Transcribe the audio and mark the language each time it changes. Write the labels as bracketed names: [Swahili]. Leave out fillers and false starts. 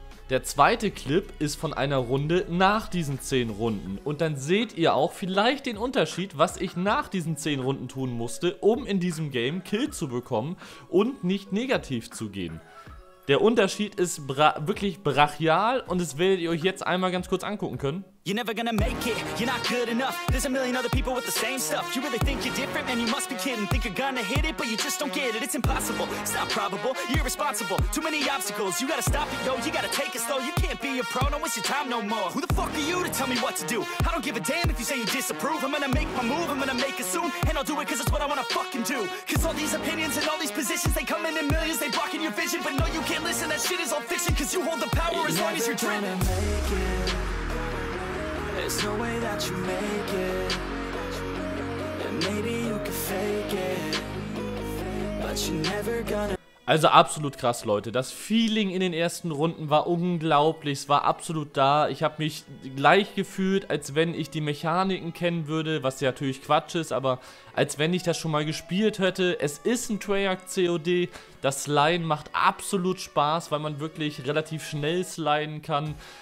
[German] Der zweite Clip ist von einer Runde nach diesen 10 Runden. Und dann seht ihr auch vielleicht den Unterschied, was ich nach diesen 10 Runden tun musste, um in diesem Game Kill zu bekommen und nicht negativ zu gehen. Der Unterschied ist wirklich brachial und das werdet ihr euch jetzt einmal ganz kurz angucken können. [English] You're never gonna make it, you're not good enough. There's a million other people with the same stuff. You really think you're different, man, you must be kidding. Think you're gonna hit it, but you just don't get it. It's impossible, it's not probable, you're irresponsible. Too many obstacles, you gotta stop it, yo. You gotta take it slow, you can't be a pro. Don't waste your time no more. Who the fuck are you to tell me what to do? I don't give a damn if you say you disapprove. I'm gonna make my move, I'm gonna make it soon. And I'll do it cause it's what I wanna fucking do. Cause all these opinions and all these positions, they come in millions, they blocking your vision. But no, you can't listen, that shit is all fiction. Cause you hold the power as long as you're dreaming. You're never gonna make it. There's no way that you make it. And maybe you can fake it. But you're never gonna. [German] Also absolut krass, Leute. Das Feeling in den ersten Runden war unglaublich. Es war absolut da. Ich habe mich gleich gefühlt, als wenn ich die Mechaniken kennen würde, was ja natürlich Quatsch ist, aber als wenn ich das schon mal gespielt hätte. Es ist ein Treyarch-COD. Das Sliden macht absolut Spaß, weil man wirklich relativ schnell sliden kann.